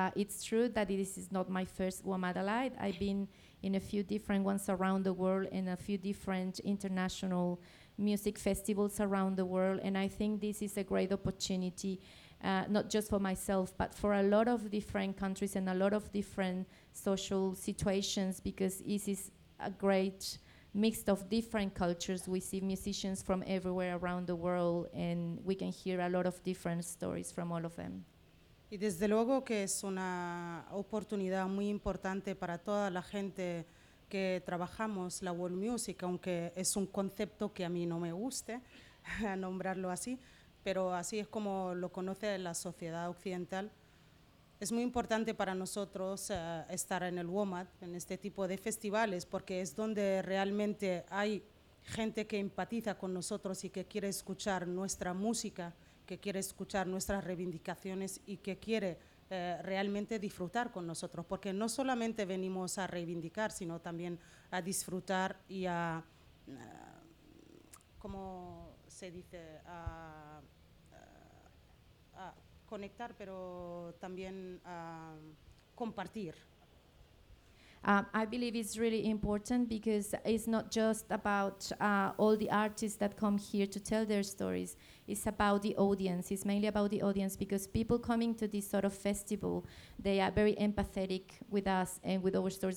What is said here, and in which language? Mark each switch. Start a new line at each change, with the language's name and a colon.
English: It's true that this is not my first WOMAD Alive. I've been in a few different ones around the world, in a few different international music festivals around the world, and I think this is a great opportunity, not just for myself, but for a lot of different countries and a lot of different social situations, because this is a great mix of different cultures. We see musicians from everywhere around the world, and we can hear a lot of different stories from all of them.
Spanish: Y desde luego que es una oportunidad muy importante para toda la gente que trabajamos la world music, aunque es un concepto que a mí no me guste nombrarlo así, pero así es como lo conoce la sociedad occidental. Es muy importante para nosotros estar en el WOMAD, en este tipo de festivales, porque es donde realmente hay gente que empatiza con nosotros y que quiere escuchar nuestra música, que quiere escuchar nuestras reivindicaciones y que quiere realmente disfrutar con nosotros, porque no solamente venimos a reivindicar, sino también a disfrutar y a, ¿cómo se dice?, a conectar, pero también a compartir.
English: I believe it's really important because it's not just about all the artists that come here to tell their stories. It's about the audience. It's mainly about the audience because people coming to this sort of festival, they are very empathetic with us and with our stories.